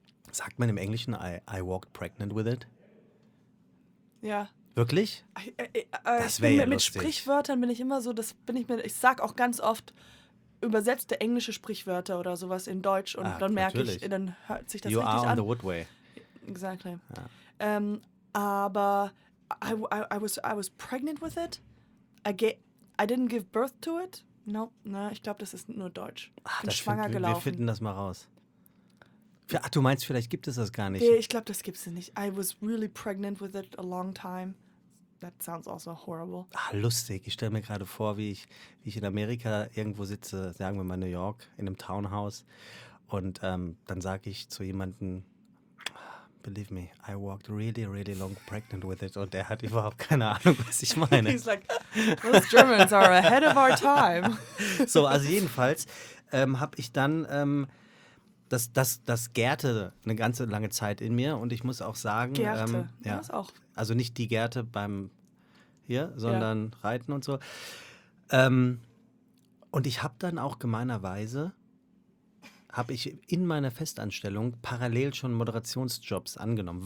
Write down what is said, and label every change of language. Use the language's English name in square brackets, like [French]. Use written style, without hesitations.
[German] Sagt man im Englischen, [English] I walked pregnant with it? [German] Ja. Wirklich? Das wäre ja lustig. Mit Sprichwörtern bin ich immer so, ich sage auch ganz oft übersetzte englische Sprichwörter oder sowas in Deutsch und dann merke ich, dann hört sich das [English] you [German] richtig an. [English] You are on the woodway. Exactly. [German] Ja. Aber [English] I was pregnant with it. I didn't give birth to it. No, [German] ich glaube, das ist nur Deutsch. Ich bin schwanger gelaufen. Wir finden das mal raus. Du meinst, vielleicht gibt es das gar nicht. Nee, ich glaube, das gibt es nicht. [English] I was really pregnant with it a long time. That sounds also horrible. [German] Ah, lustig. Ich stelle mir gerade vor, wie ich in Amerika irgendwo sitze, sagen wir mal New York, in einem Townhouse. Und dann sage ich zu jemandem, [English] believe me, I walked really, really long pregnant with it. [German] Und er hat überhaupt keine Ahnung, was ich meine. [English] He's like, those Germans are ahead of our time. [German] So, also jedenfalls habe ich dann, das gärte eine ganze lange Zeit in mir. Und ich muss auch sagen, Gärte, ja, das auch. Also nicht die Gärte beim hier, sondern Reiten und so. Und ich habe dann auch gemeinerweise habe ich in meiner Festanstellung parallel schon Moderationsjobs angenommen.